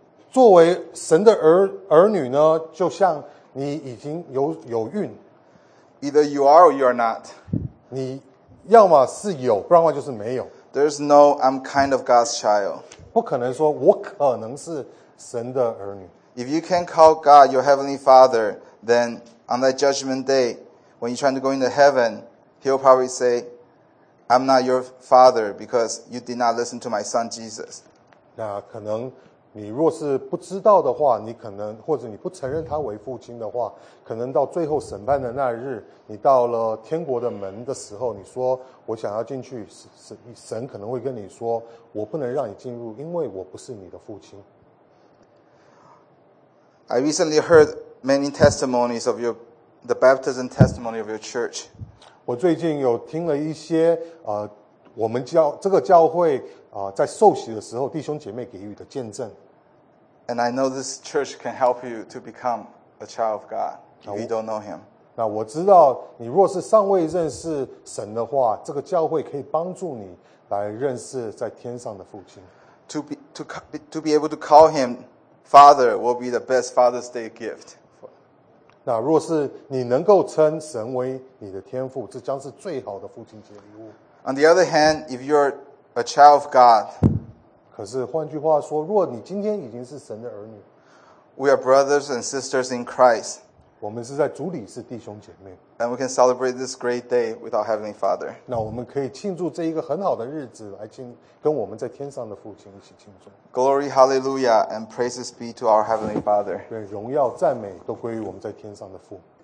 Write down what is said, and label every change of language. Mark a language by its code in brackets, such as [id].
[zh] 作为神的 儿女呢，就像你已经 有孕。 [en] Either you are or you are not. [zh] 你要么是有，不然就是没有。 [en] There's no I'm kind of God's child. [zh] 不可能说我可能是神的儿女。 [en] If you can call God your heavenly father, then on that judgment day, when you're trying to go into heaven, he'll probably say, I'm not your father because you did not listen to my son Jesus. [zh] 那可能你若是不知道的话，你可能或者你不承认他为父亲的话，可能到最后审判的那日，你到了天国的门的时候，你说我想要进去，神可能会跟你说，我不能让你进入，因为我不是你的父亲。 [en] I recently heard many testimonies of your, the baptism testimony of your church. [zh] 我最近有听了一些我们教这个教会在受洗的时候弟兄姐妹给予的见证。 [en] And I know this church can help you to become a child of God if you don't know him. [zh] 那我知道你若是尚未认识神的话，这个教会可以帮助你来认识在天上的父亲。 [en] To be able to call him Father will be the best Father's Day gift. [zh] 那若是你能够称神为你的天父，这将是最好的父亲节礼物。 [en] On the other hand, if you're a child of God, [zh] 可是换句话说，若你今天已经是神的儿女， [en] we are brothers and sisters in Christ. [zh] 我们是在主里是弟兄姐妹。 [en] And we can celebrate this great day with our Heavenly Father. [zh] 那我们可以庆祝这一个很好的日子，来跟我们在天上的父亲一起庆祝。 [en] Glory, hallelujah, and praises be to our Heavenly Father. [zh] 对，荣耀赞美都归于我们在天上的父。